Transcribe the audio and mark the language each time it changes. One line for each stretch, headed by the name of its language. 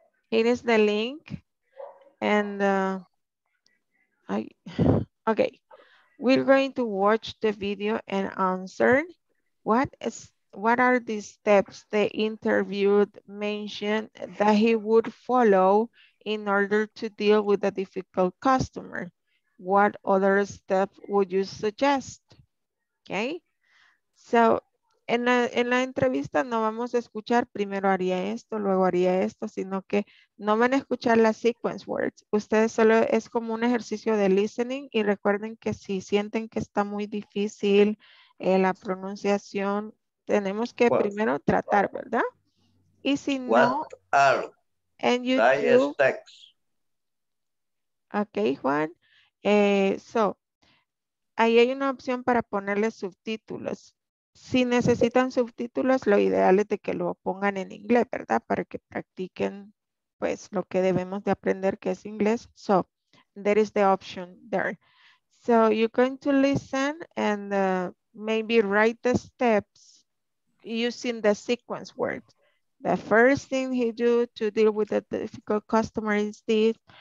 English: It is the link, and we're going to watch the video and answer what are the steps the interviewed mentioned that he would follow in order to deal with a difficult customer. What other step would you suggest? Okay.
Spanish: So, en la entrevista no vamos a escuchar primero haría esto, luego haría esto, sino que no van a escuchar las sequence words. Ustedes solo es como un ejercicio de listening y recuerden que si sienten que está muy difícil la pronunciación, tenemos que primero tratar, ¿verdad? Y si no...
English: And you do.
Spanish: Okay, Juan. Ahí hay una opción para ponerle subtítulos. Si necesitan subtítulos, lo ideal es de que lo pongan en inglés, ¿verdad? Para que practiquen, pues, lo que debemos de aprender, que es inglés.
English: So, there is the option there. So, you're going to listen and maybe write the steps using the sequence words. The first thing he do to deal with a difficult customer is this.